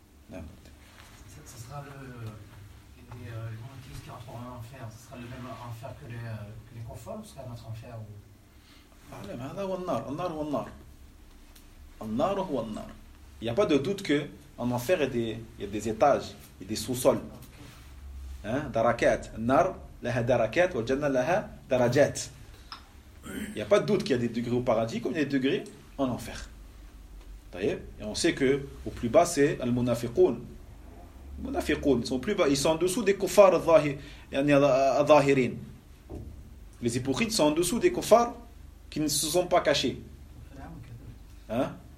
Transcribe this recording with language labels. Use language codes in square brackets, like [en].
[fr] Ce sera les monothéistes qui entreront en enfer. Ce sera le même enfer que les conformes, ou ce sera notre enfer ou... Allez, mais c'est l'enfer, l'enfer ou l'enfer. [ar] النار هو النار. [fr] Il n'y a pas de doute qu'en enfer il y a des étages, il y a des sous-sols. Hein? Darakat. [ar] النار لها darakat و الجنة لها darajat. [fr] Il n'y a pas de doute qu'il y a des degrés au paradis comme il y a des degrés en enfer. D'ailleurs, et on sait qu'au plus bas c'est al-munafiqoun. Munafiqoun, ils sont plus bas, ils sont en dessous des kuffar al-zahirin. Les hypocrites sont en dessous des kuffar qui ne se sont pas cachés. Hein?